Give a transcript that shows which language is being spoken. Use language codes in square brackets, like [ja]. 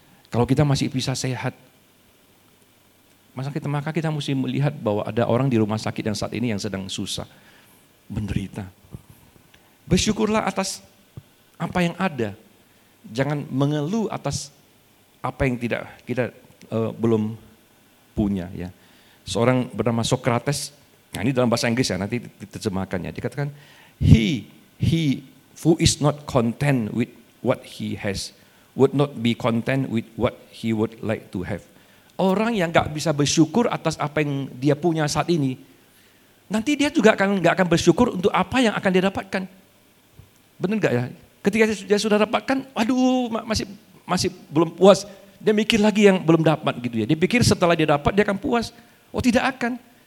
[id] Kalau kita masih bisa sehat, maka kita mesti melihat bahwa ada orang di rumah sakit yang saat ini yang sedang susah, menderita. Bersyukurlah atas apa yang ada. Jangan mengeluh atas apa yang tidak kita belum punya. Ya. Seorang bernama Socrates, nah ini dalam bahasa Inggris ya, nanti diterjemahkannya. Dia katakan, [en] he who is not content with what he has, would not be content with what he would like to have. [id] Orang yang gak bisa bersyukur atas apa yang dia punya saat ini, nanti dia juga gak akan bersyukur untuk apa yang akan dia dapatkan. Benar gak ya? Ketika dia sudah dapatkan, waduh masih belum puas. Dia mikir lagi yang belum dapat gitu ya. Dia pikir setelah dia dapat, dia akan puas. Oh tidak akan.